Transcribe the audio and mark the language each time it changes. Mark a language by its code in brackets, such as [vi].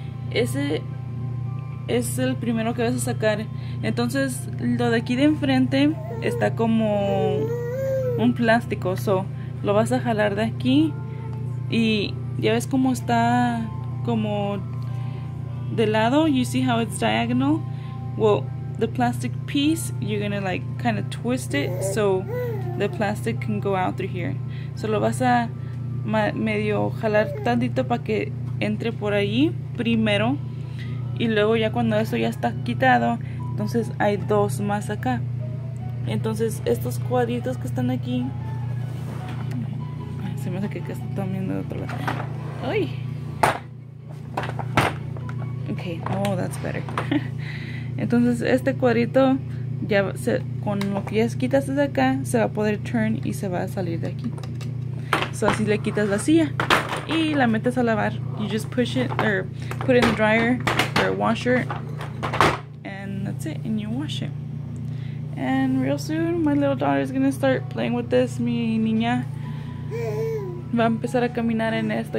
[es] Ese es el primero que vas a sacar. Entonces, lo de aquí de enfrente está como un plástico, so lo vas a jalar de aquí y ya ves cómo está como de lado. [en] You see how it's diagonal? Well, the plastic piece, you're gonna like kind of twist it so the plastic can go out through here. [es] So lo vas a medio jalar tantito para que entre por ahí primero y luego ya cuando eso ya está quitado, entonces hay dos más acá. Entonces estos cuadritos que están aquí, se me hace que están viendo de otro lado. ¡Ay! [en] Ok, oh, that's better. [es] Entonces este cuadrito ya se, con lo que ya quitas de acá, se va a poder turn y se va a salir de aquí. So así le quitas la silla y la metes a lavar. [en] You just push it or put it in the dryer or washer and that's it, and you wash it. And real soon, my little daughter is going to start playing with this. [es] Mi niña va a empezar a caminar en esto.